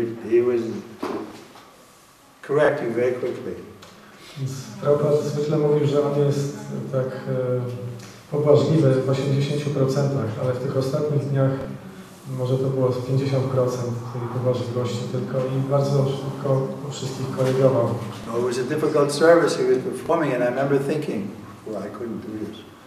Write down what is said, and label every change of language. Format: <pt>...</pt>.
<en>He was correcting very quickly.</en> <pl>Prabhupada zwykle mówił, że on jest tak pobłażliwy w 80%, ale w tych ostatnich dniach może to było 50% tej pobłażliwości tylko i bardzo szybko wszystkich korygował.</pl> <en>No, it was a difficult service he was performing and I remember thinking, well, I couldn't do this.</en>